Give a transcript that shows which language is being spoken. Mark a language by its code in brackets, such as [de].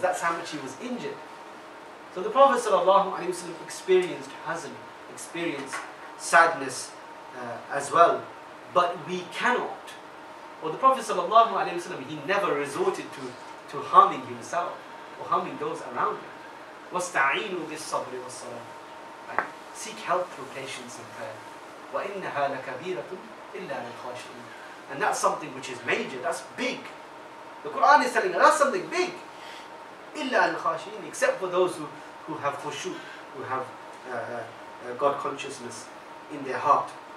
[en] That's how much he was injured. So the Prophet sallallahu alaihi wasallam experienced hazan, experienced sadness as well. But we cannot. Well, the Prophet sallallahu alaihi wasallam, he never resorted to harming himself or harming those around him. [ar] وَاسْتَعِينُوا بِالصَّبْرِ وَالصَّلَاةِ, [en] right? Seek help through patience and prayer. [ar] وَإِنَّهَا لَكَبِيرَةٌ إِلَّا لِلْخَاشِعِينَ, [en] and that's something which is major, that's big. The Quran is telling us that's something big. [ar] إِلَّا لِلْخَاشِعِينَ, [en] except for those who have khushu, who have God consciousness in their heart.